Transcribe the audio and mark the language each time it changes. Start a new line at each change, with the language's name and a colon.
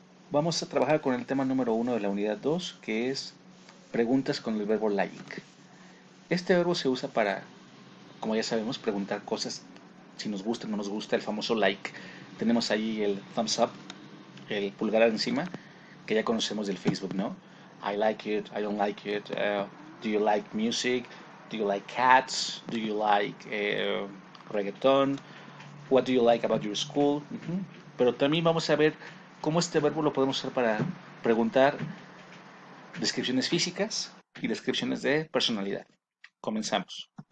Spanish: Vamos a trabajar con el tema número 1 de la unidad 2, que es preguntas con el verbo like. Este verbo se usa para, como ya sabemos, preguntar cosas, si nos gusta o no nos gusta, el famoso like. Tenemos ahí el thumbs up, el pulgar encima, que ya conocemos del Facebook, ¿no?
English: I like it, I don't like it, do you like music? Do you like cats? Do you like reggaeton? What do you like about your school?
Spanish: Pero también vamos a ver cómo este verbo lo podemos usar para preguntar descripciones físicas y descripciones de personalidad. Comenzamos.